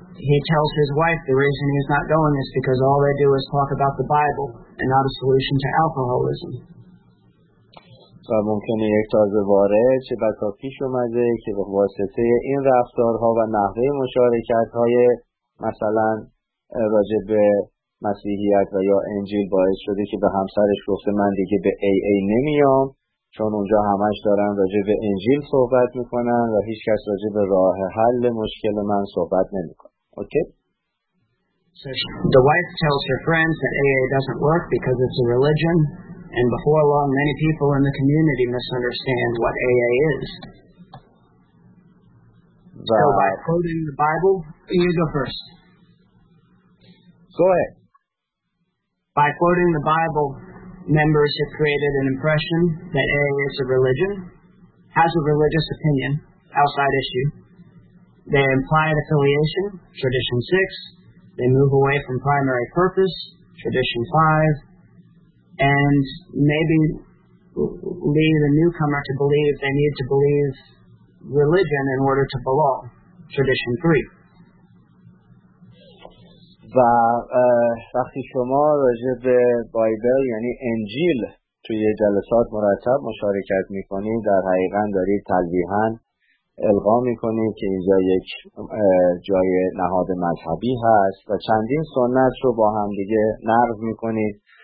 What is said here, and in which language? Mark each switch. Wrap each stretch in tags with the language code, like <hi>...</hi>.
<en>He tells his wife the reason he's not going is because all they do is talk about the Bible and not a solution to alcoholism.</en> <fa>و ممکنه یک تازه وارد چه بسا پیش اومده که به واسطه این رفتارها و نحوه مشارکتهای مثلا راجع به مسیحیت و یا انجیل باعث شده که به همسرش گفته من دیگه به AA نمیام، چون اونجا همش دارن راجع به انجیل صحبت میکنن و هیچ کس راجع به راه حل مشکل من صحبت نمیکنه.</fa> <en>Okay? The wife tells her friends that AA doesn't work because it's a religion. And before long, many people in the community misunderstand what AA is. So by quoting the Bible, you go first. Go ahead. By quoting the Bible, members have created an impression that AA is a religion, has a religious opinion, outside issue. They imply an affiliation, tradition 6. They move away from primary purpose, tradition 5. And maybe lead a newcomer to believe they need to believe religion in order to belong, tradition 3.</en> <fa>و وقتی شما راجع به بایبل یعنی انجیل توی جلسات مرتب مشارکت میکنید، در حقیقت دارید تلویحاً القا میکنید که اینجا یک جای نهاد مذهبی هست و چندین سنت رو با هم دیگه نقض میکنید.</fa>